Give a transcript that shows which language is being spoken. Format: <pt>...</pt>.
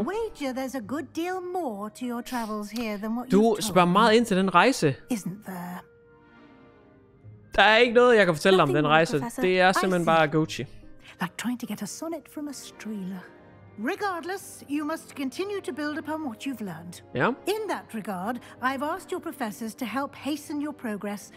<en>I'd wager there's a good deal more to your travels here than what you told.</en> <da>Du spørger meget ind til den rejse.</da> <en>Isn't there?</en> <da>Der er ikke noget, jeg kan fortælle dig om den rejse.</da> <en>Professor.</en> <da>Det er simpelthen bare Gucci.</da> <en>Like trying to get a sonnet from a streeler. Regardless, you must continue to build upon what you've learned. Yeah. In that regard, I've asked your professors to help hasten your progress</en>